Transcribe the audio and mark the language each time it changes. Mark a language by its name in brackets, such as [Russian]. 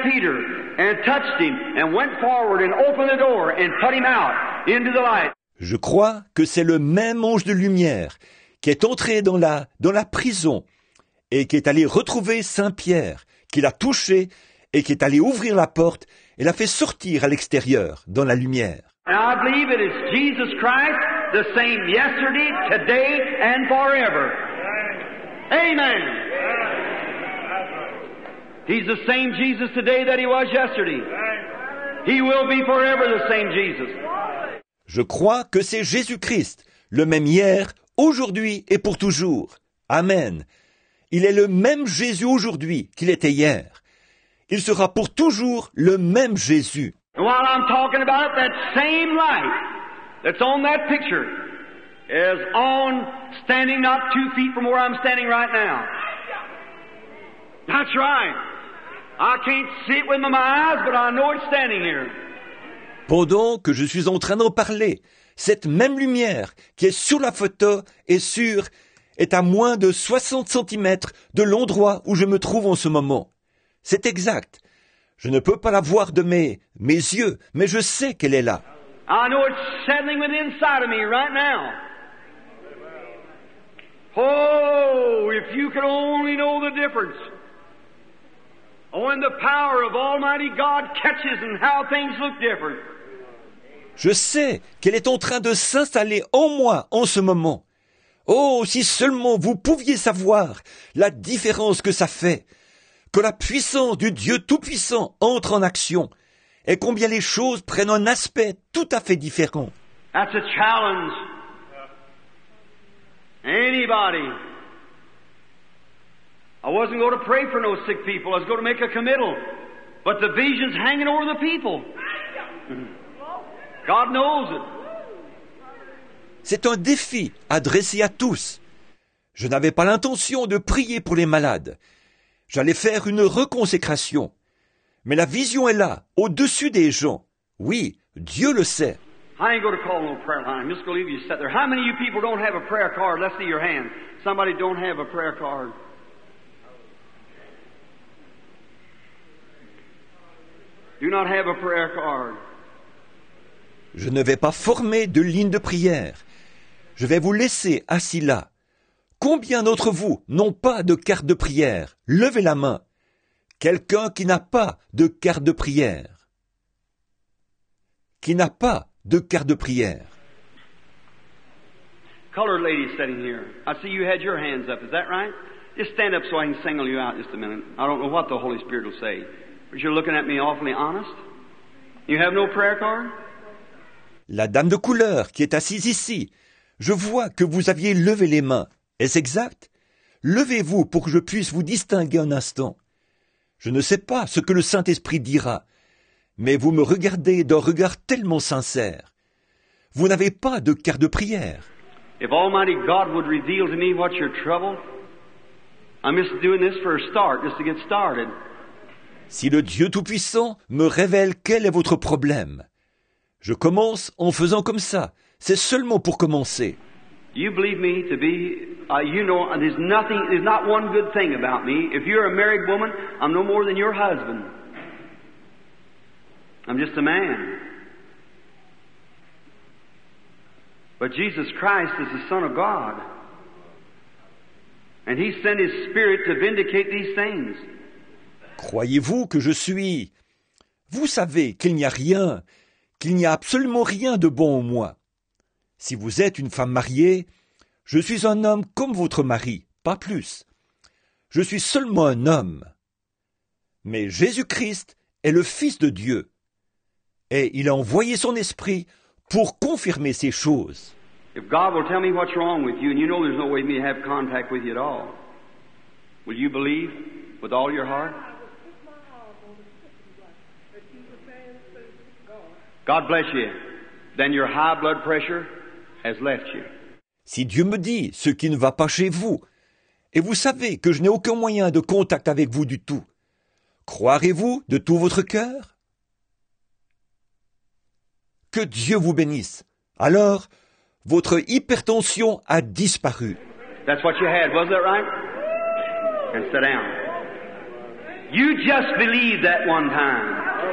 [English] Peter and touched him and went forward and opened the door and put him out into the light. [French] Je crois que c'est le même ange de lumière qui est entré dans la prison et qui est allé retrouver Saint Pierre, qui l'a touché et qui est allé ouvrir la porte et l'a fait sortir à l'extérieur dans la lumière. [English] And I believe it is Jesus Christ, the same yesterday, today, and forever. Amen. He's the same Jesus today that he was yesterday. He will be forever the same Jesus. [French] Je crois que c'est Jésus-Christ, le même hier, aujourd'hui et pour toujours. Amen. Il est le même Jésus aujourd'hui qu'il était hier. Il sera pour toujours le même Jésus. [English] While I'm talking about that same light that's on that picture is on standing not 2 feet from where I'm standing right now. That's right. I can't see it with my eyes, but I know it's standing here. [French] Pendant que je suis en train d'en parler, cette même lumière qui est sur la photo est à moins de 60 centimètres de l'endroit où je me trouve en ce moment. C'est exact. Je ne peux pas la voir de mes yeux, mais je sais qu'elle est là. [English] I know it's settling within inside of me right now. Oh, if you could only know the difference. Oh, when the power of Almighty God catches and how things look different. [French] Je sais qu'elle est en train de s'installer en moi en ce moment. Oh, si seulement vous pouviez savoir la différence que ça fait. Que la puissance du Dieu Tout-Puissant entre en action et combien les choses prennent un aspect tout à fait différent. [English] That's a challenge. Anybody. I wasn't going to pray for no sick people. I was going to make a committal. But the vision's hanging over the people. God knows it. [French] C'est un défi adressé à tous. Je n'avais pas l'intention de prier pour les malades. J'allais faire une reconsécration. Mais la vision est là, au-dessus des gens. Oui, Dieu le sait. [English] I ain't going to call no prayer line. I'm just going to leave you sit there. How many of you people don't have a prayer card? Let's see your hand. Somebody don't have a prayer card. Do not have a prayer card. [French] Je ne vais pas former de ligne de prière. Je vais vous laisser assis là. Combien d'entre vous n'ont pas de carte de prière? Levez la main. Quelqu'un qui n'a pas de carte de prière. Qui n'a pas de carte de prière. [English] Colored lady sitting here. I see you had your hands up. Is that right? Just stand up so I can single you out just a minute. I don't know what the Holy Spirit will say. But you're looking at me awfully honest. You have no prayer card? [French] La dame de couleur qui est assise ici, je vois que vous aviez levé les mains. Est-ce exact? Levez-vous pour que je puisse vous distinguer un instant. Je ne sais pas ce que le Saint-Esprit dira, mais vous me regardez d'un regard tellement sincère. Vous n'avez pas de carte de prière. [English] If Almighty God would reveal to me what's your trouble, I'm just doing this for a start, just to get started. [French] Si le Dieu Tout-Puissant me révèle quel est votre problème, je commence en faisant comme ça, c'est seulement pour commencer. [English] You believe me to be, you know, there's nothing, there's not one good thing about me. If you're a married woman, I'm no more than your husband. I'm just a man. But Jesus Christ is the Son of God. And He sent His Spirit to vindicate these things. [French] Croyez-vous que je suis? Vous savez qu'il n'y a rien, qu'il n'y a absolument rien de bon en moi. Si vous êtes une femme mariée, je suis un homme comme votre mari, pas plus. Je suis seulement un homme. Mais Jésus-Christ est le Fils de Dieu. Et il a envoyé son esprit pour confirmer ces choses. [English] If God will tell me what's wrong with you, and you know there's no way for me to have contact with you at all, will you believe with all your heart? God bless you. Then your high blood pressure has left you. [French] Si Dieu me dit ce qui ne va pas chez vous, et vous savez que je n'ai aucun moyen de contact avec vous du tout, croirez-vous de tout votre cœur? Que Dieu vous bénisse. Alors, votre hypertension a disparu. [English] That's what you had, wasn't it right? And sit down. You just believed that one time.